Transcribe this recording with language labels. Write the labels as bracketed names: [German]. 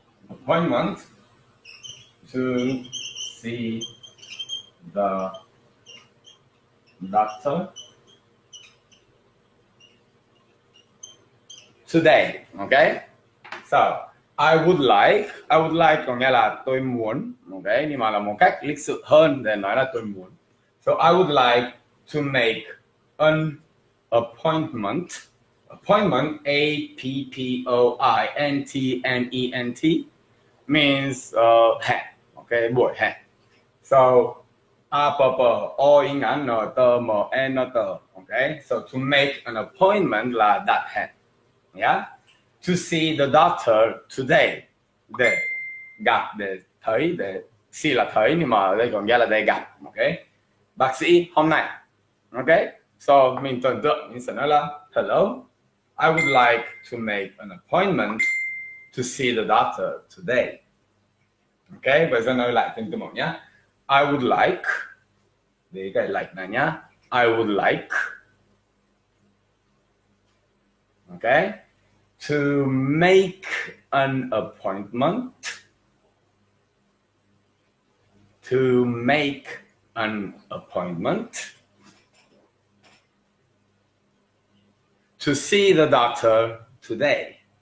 [English] appointment to see the doctor today, okay? So, I would like [Vietnamese] có nghĩa là tôi muốn, [English] okay? [Vietnamese] Nhưng mà là một cách lịch sự hơn để nói là tôi muốn. [English] So, I would like to make an appointment. Appointment, A-P-P-O-I-N-T-M-E-N-T means hẹn, okay, [Vietnamese] buổi hẹn. [English] So, A-P-P-O-I-N-T-M-E-N-T, okay? So, to make an appointment [Vietnamese] là đặt hẹn, [English] yeah? To see the doctor today. [Vietnamese] Để gặp, để thấy, để see là thấy, nhưng mà đây còn nghĩa là để gặp, okay? Bác sĩ hôm nay, [English] okay? So, [Vietnamese] mình tưởng tượng, mình sẽ nói là, [English] hello, I would like to make an appointment to see the doctor today. [Vietnamese] Okay, bây giờ nói lại từng từ một nhé. [English] I would like, [Vietnamese] để cái like này nhá. [English] I would like, okay, to make an appointment, to make an appointment to see the doctor today.